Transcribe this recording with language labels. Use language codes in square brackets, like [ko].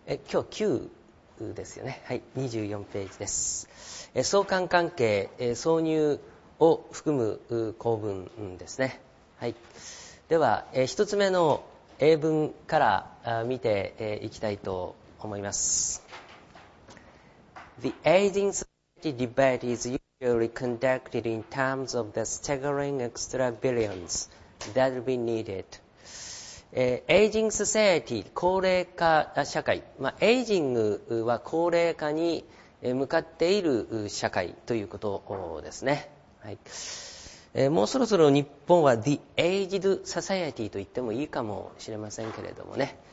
[ja] 今日9ですよね。はい、24ページです。相関関係、挿入を含む構文ですね。はい、では、一つ目の英文から見て、いきたいと思います。 [en] The aging society debate is usually conducted in terms of the staggering extra billions that will be needed. [ja] Aging society, 高齢化社会。まあ、aging は高齢化に向かっている社会ということですね。はい、もうそろそろ日本は The aged society と言ってもいいかもしれませんけれどもね。